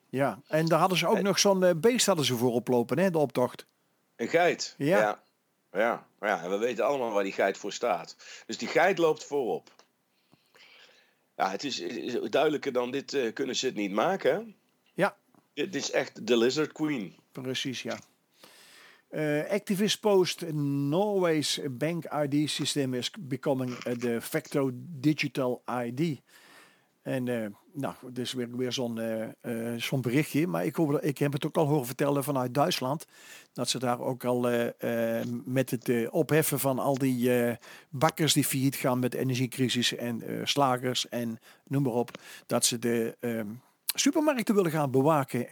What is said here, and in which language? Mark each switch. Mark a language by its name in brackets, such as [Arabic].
[Dutch] Ja, en daar hadden ze ook nog zo'n beest hadden ze voor oplopen, hè, de optocht. Een geit. Ja. Ja. Ja. Ja, en we weten allemaal waar die geit voor staat. Dus die geit loopt voorop. Ja, het is duidelijker dan dit kunnen ze het niet maken. Ja. Dit is echt de Lizard Queen. Precies, ja. [English] Activist post Norway's bank ID system is becoming de facto digital ID. [Dutch] En nou, dit is weer zo'n berichtje. Maar ik heb het ook al horen vertellen vanuit Duitsland. Dat ze daar ook al met het opheffen van al die bakkers die failliet gaan met de energiecrisis en slagers en noem maar op. Dat ze de supermarkten willen gaan bewaken.